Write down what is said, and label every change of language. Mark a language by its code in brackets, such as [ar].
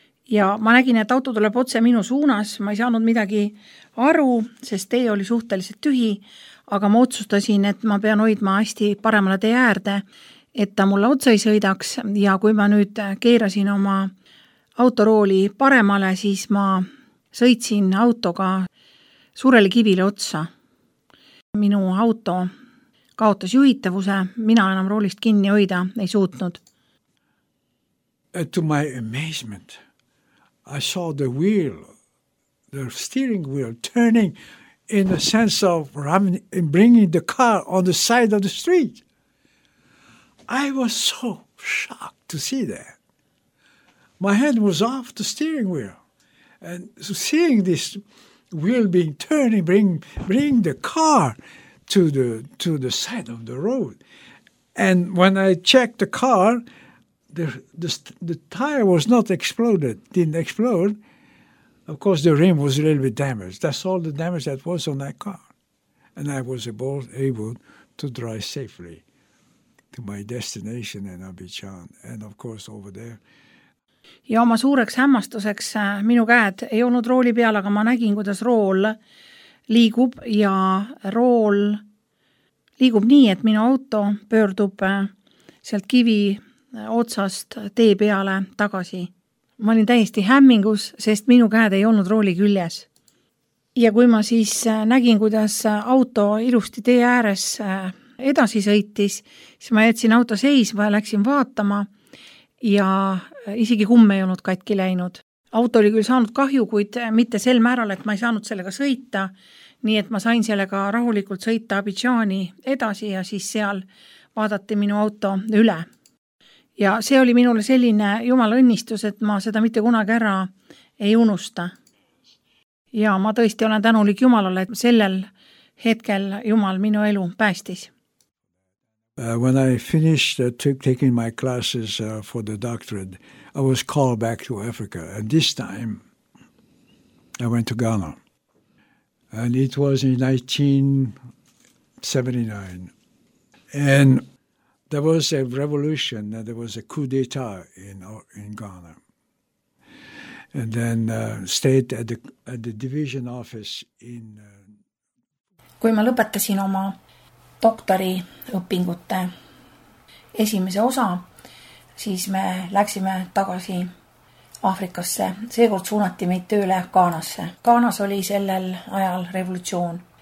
[et] Ja ma nägin, et auto tuleb otse minu suunas, ma ei saanud midagi aru, sest tee oli suhteliselt tühi, aga ma otsustasin, et ma pean hoidma hästi paremale tee äärde, et ta mulle otsa ei sõidaks ja kui ma nüüd keerasin oma autorooli paremale, siis ma sõitsin autoga suurele kivile otsa. Minu auto kaotas juhitavuse, mina enam roolist kinni hoida ei suutnud. [en] To my amazement, I saw the wheel, the steering wheel turning in the sense of bringing the car on the side of the street. I was so shocked to see that. My hand was off the steering wheel. And so seeing this wheel being turning, bring the car to the side of the road. And when I checked the car, the tire was not exploded, didn't explode. Of course, the rim was a little bit damaged. That's all the damage that was on that car. And I was able to drive safely to my destination in Abidjan and of course over there. [et] Ja oma suureks hämmastuseks minu käed ei olnud rooli peal, aga ma nägin, kuidas rool liigub ja rool liigub nii, et minu auto pöördub sealt kivi otsast tee peale tagasi. Ma olin täiesti hämmingus, sest minu käed ei olnud rooli küljes. Ja kui ma siis nägin, kuidas auto ilusti tee ääres edasi sõitis, siis ma jätsin auto seisma ja läksin vaatama ja isegi kumme ei olnud katki läinud. Auto oli küll saanud kahju, kuid mitte sel määral, et ma ei saanud sellega sõita, nii et ma sain sellega rahulikult sõita Abidjani edasi ja siis seal vaadati minu auto üle. Ja see oli minule selline Jumala õnnistus, et ma seda mitte kunagi ära ei unusta. Ja ma tõesti olen tänulik Jumalale, et sellel hetkel Jumal minu elu päästis. [en] When I finished taking my classes for the doctorate, I was called back to Africa. And this time, I went to Ghana. And it was in 1979. And there was a revolution, and there was a coup d'etat in Ghana. And then stayed at the division office in... [et] Kui ma lõpetasin oma doktori õpingute esimese osa, siis me läksime tagasi Aafrikasse. Seekord suunati meid tööle Ghanasse. Ghanas oli sellel ajal revolutsioon.